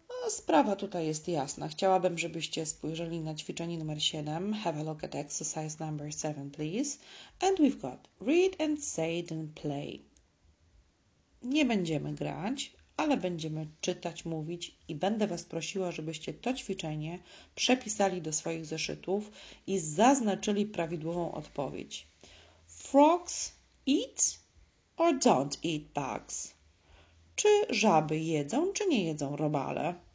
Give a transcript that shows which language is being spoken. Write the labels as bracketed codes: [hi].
[pl] Sprawa tutaj jest jasna. Chciałabym, żebyście spojrzeli na ćwiczenie numer 7. [en] Have a look at exercise number 7, please. And we've got read and say and play. [pl] Nie będziemy grać, ale będziemy czytać, mówić i będę Was prosiła, żebyście to ćwiczenie przepisali do swoich zeszytów i zaznaczyli prawidłową odpowiedź. [en] Frogs eat or don't eat bugs? [pl] Czy żaby jedzą, czy nie jedzą robale?